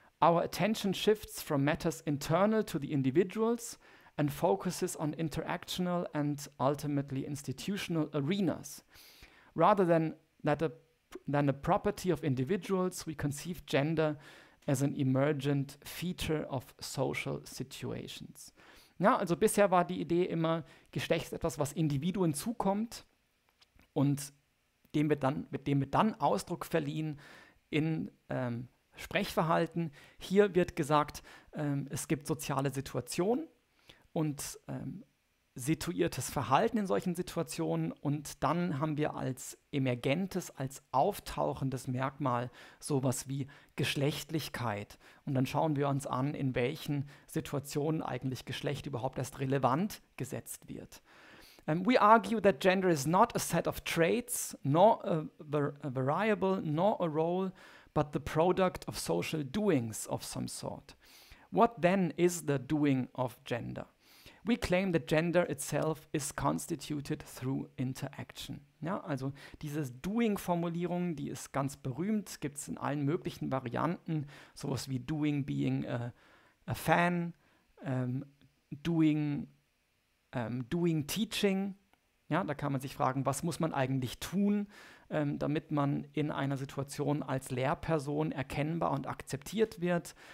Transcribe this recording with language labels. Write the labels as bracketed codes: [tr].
[en] Our attention shifts from matters internal to the individuals and focuses on interactional and ultimately institutional arenas, rather than than a property of individuals, we conceive gender as an emergent feature of social situations. [de] Ja, also bisher war die Idee immer, Geschlecht ist etwas, was Individuen zukommt und dem wird dann Ausdruck verliehen in Sprechverhalten. Hier wird gesagt, es gibt soziale Situationen und situiertes Verhalten in solchen Situationen, und dann haben wir als emergentes, als auftauchendes Merkmal sowas wie Geschlechtlichkeit. Und dann schauen wir uns an, in welchen Situationen eigentlich Geschlecht überhaupt erst relevant gesetzt wird. [en] We argue that gender is not a set of traits, nor a variable, nor a role, but the product of social doings of some sort. What then is the doing of gender? We claim that gender itself is constituted through interaction. [de] Ja, also diese Doing-Formulierung, die ist ganz berühmt, gibt es in allen möglichen Varianten, sowas wie [en] Doing being a fan, [de] Doing teaching. Ja, da kann man sich fragen, was muss man eigentlich tun, damit man in einer Situation als Lehrperson erkennbar und akzeptiert wird.